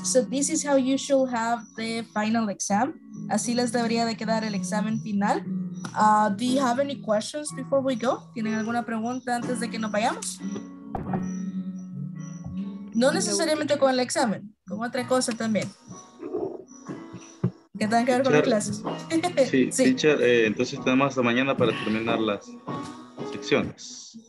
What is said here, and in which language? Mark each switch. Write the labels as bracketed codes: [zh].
[en] So this is how you should have the final exam. [es] Así les debería de quedar el examen final. [en] Do you have any questions before we go? [es] ¿Tienen alguna pregunta antes de que nos vayamos? No necesariamente con el examen, con otra cosa también. Que tengan que ver con las clases. Sí, sí. Teacher, entonces tenemos hasta mañana para terminar las secciones.